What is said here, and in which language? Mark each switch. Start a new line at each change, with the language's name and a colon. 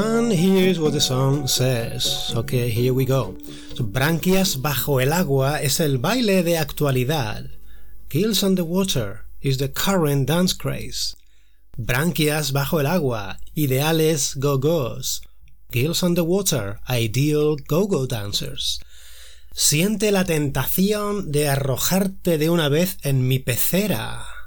English: Here's what the song says. Okay, here we go.
Spanish: So, Branquias Bajo el Agua es el baile de actualidad.
English: Gills Underwater is the current dance craze.
Spanish: Branquias Bajo el Agua, ideales go-go's.
English: Gills Underwater, ideal go-go dancers.
Spanish: Siente la tentación de arrojarte de una vez en mi pecera.